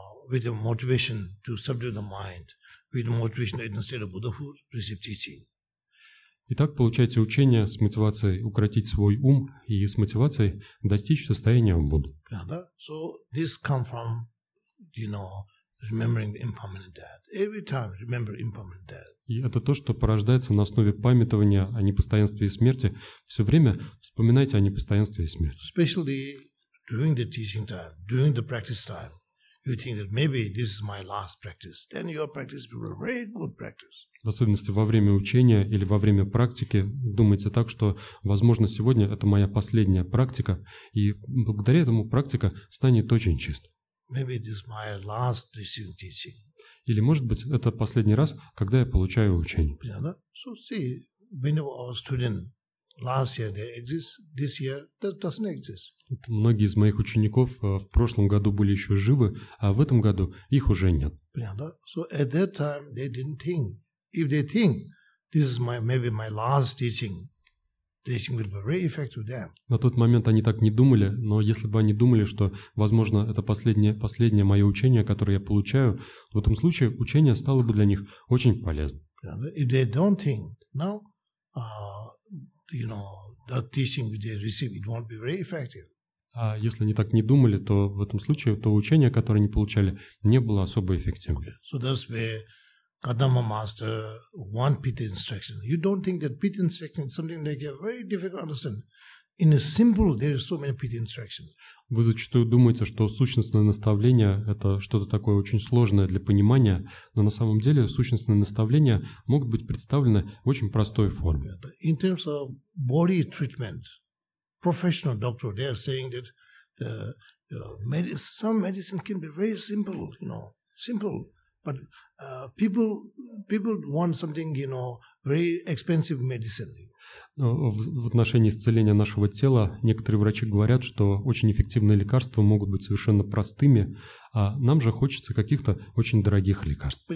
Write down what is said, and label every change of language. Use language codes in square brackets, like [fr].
[en] With the motivation to subdue the mind, with the motivation in the state of Buddhahood, receive teaching. [ru] Итак, получайте учение с мотивацией укротить свой ум и с мотивацией достичь состояния Будды. [en] Yeah, [ru] да? [en] So this comes from, you know, remembering impermanent death. Every time remember impermanent death. [ru] И это то, что порождается на основе памятования о непостоянстве и смерти. Все время вспоминайте о непостоянстве и смерти. [en] Especially during the teaching time, during the practice time. You think that maybe this is my last practice. Then your practice will be a very good practice. [ru] В особенности во время учения или во время практики думайте так, что, возможно, сегодня это моя последняя практика, и благодаря этому практика станет очень чистой. [en] Maybe this is my last receiving teaching. [ru] Или, может быть, это последний раз, когда я получаю учение. [en] Yeah, no? So see, many of our students last year they exist, this year that doesn't exist. [ru] Многие из моих учеников в прошлом году были еще живы, а в этом году их уже нет. [en] Yeah, [ru] да? [en] So at that time they didn't think. If they think this is my maybe my last teaching, teaching will be very effective to them. [ru] На тот момент они так не думали, но если бы они думали, что, возможно, это последнее мое учение, которое я получаю, в этом случае учение стало бы для них очень полезным. [en] Yeah, [ru] да? [en] If they don't think now, you know. That teaching they receive, it won't be very effective. [ru] А если они так не думали, то в этом случае то учение, которое они получали, не было особо эффективным. [en] Okay. So that's where Kadama Master one pit instruction. You don't think that pit instruction is something that is very difficult to understand. In a simple, there are so many pit instructions. [ru] Вы зачастую думаете, что сущностное наставление – это что-то такое очень сложное для понимания, но на самом деле сущностные наставления могут быть представлены в очень простой форме. [en] In terms of body treatment, professional doctor, they are saying that some medicine can be very simple, you know, simple. But people want something, you know, very expensive medicine. [ru] В отношении исцеления нашего тела некоторые врачи говорят, что очень эффективные лекарства могут быть совершенно простыми, а нам же хочется каких-то очень дорогих лекарств.